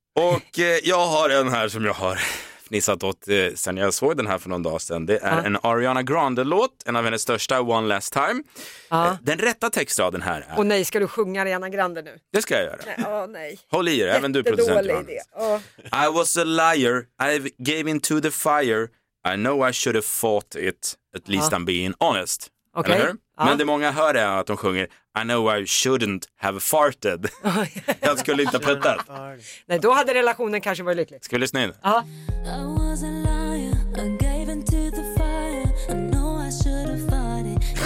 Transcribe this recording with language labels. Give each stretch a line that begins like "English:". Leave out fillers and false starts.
Swedish: Och jag har en här som jag har fnissat åt sen jag såg den här för någon dag sedan. Det är en Ariana Grande-låt, en av hennes största, One Last Time. Den rätta textraden här är: åh nej, ska du sjunga Ariana Grande nu? Det ska jag göra. Nej. Håll i dig, även du producent.
English: I was a liar, I gave in to the fire, I know I should have fought it, at least I'm being honest.
Swedish: Okay. Eller hur? Men det många hör är att de sjunger
English: I know I shouldn't have farted.
Swedish: Jag skulle inte ha puttat. Nej, då hade relationen kanske varit lycklig. Ska vi lyssna in? Ja.
English: I was a liar, I gave in to the fire, I know I should have farted.